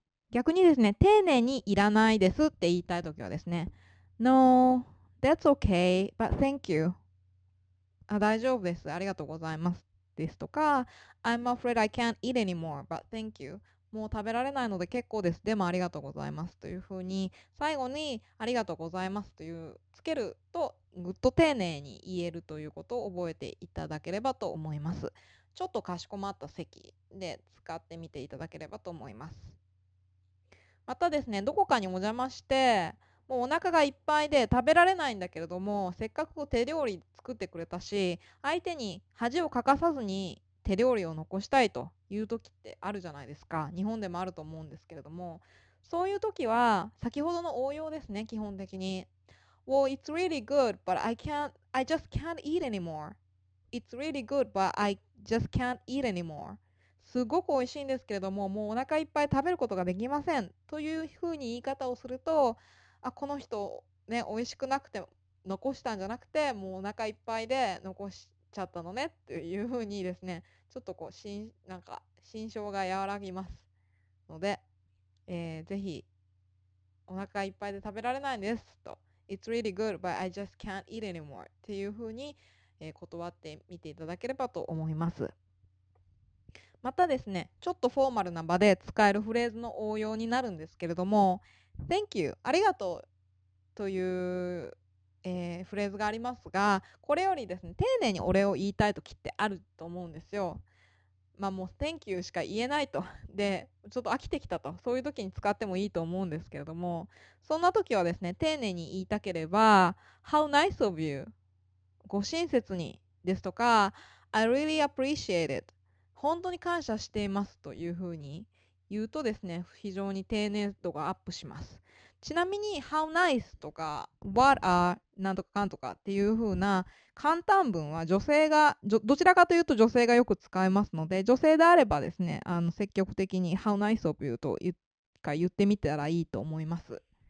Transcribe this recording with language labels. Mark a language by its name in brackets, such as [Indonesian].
[Japanese] 逆にですね、丁寧にいらないですって言いたいときはですね、 [English] No, that's okay, but thank you. [Japanese] 大丈夫です。ありがとうございます。ですとか、 [English] I'm afraid I can't eat anymore, but thank you. [Japanese] もう食べられないので結構です。でもありがとうございます。というふうに、最後にありがとうございますというつけると、ぐっと丁寧に言えるということを覚えていただければと思います。ちょっとかしこまった席で使ってみていただければと思います。またですね、どこかにお邪魔して、もうお腹がいっぱいで食べられないんだけれども、せっかく手料理作ってくれたし、相手に恥をかかさずに手料理を残したいという時ってあるじゃないですか。日本でもあると思うんですけれども、そういう時は先ほどの応用ですね。基本的に [English] Well, it's really good, but I just can't eat anymore. It's really good, but I just can't eat anymore. [Japanese] すごく美味しいんですけれども、もうお腹いっぱい食べることができませんというふうに言い方をすると、この人、おいしくなくて残したんじゃなくて、もうお腹いっぱいで残しちゃったのねっていうふうにですね、ちょっとこうしんなんか心象が和らぎますので、ぜひお腹いっぱいで食べられないんですと、 [English] It's really good, but I just can't eat anymore [Japanese] っていうふうに、断ってみていただければと思います。またですね、ちょっとフォーマルな場で使えるフレーズの応用になるんですけれども、 [English] Thank you. [Japanese] ありがとうという、フレーズがありますが、これよりですね、丁寧にお礼を言いたいときってあると思うんですよ。もう Thank you しか言えないと。で、ちょっと飽きてきたと。そういうときに使ってもいいと思うんですけれども、そんなときはですね、丁寧に言いたければ、 [English] How nice of you. [Japanese] ご親切に。ですとか、 [English] I really appreciate it. [Japanese] 本当に感謝していますというふうに言うとですね、非常に丁寧度がアップします。ちなみに、How nice とか、What are なんとかかんとかっていう風な簡単文は女性が、どちらかというと女性がよく使いますので、女性であればですね、積極的に [English] How nice of you [Japanese] と言ってみたらいいと思います。